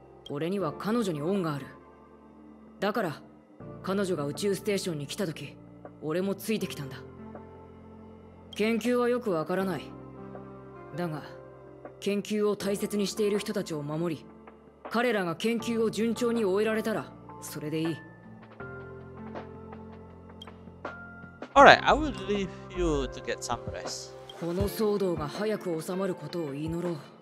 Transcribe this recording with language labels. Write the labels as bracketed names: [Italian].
[Japanese] 俺には彼女に恩がある。だから彼女が宇宙ステーションに来た時、俺もついてきたんだ。研究はよくわからない。だが研究を大切にしている人たちを守り、彼らが研究を順調に終えられたらそれでいい。 [English] Alright, I would leave you to get some rest. [Japanese] この騒動が早く収まることを祈ろう。